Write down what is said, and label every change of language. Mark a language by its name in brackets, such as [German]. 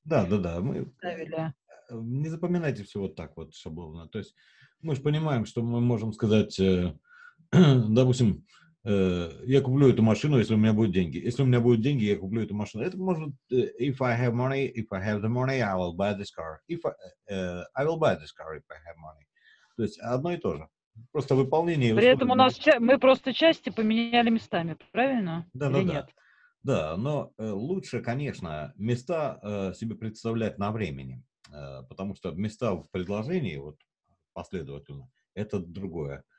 [Russian] мы переставили. Не запоминайте все вот так вот шаблонно. То есть мы же понимаем, что мы можем сказать, допустим, я куплю эту машину, если у меня будут деньги. Если у меня будут деньги, я куплю эту машину. Это может, [English] if I have money, if I have the money, I will buy this car. I will buy this car if I have money. [Russian] То есть одно и то же. Просто выполнение. При этом у нас мы просто части поменяли местами, правильно? Да, но лучше, конечно, места себе представлять на времени. Потому что места в предложении, вот последовательно, это другое.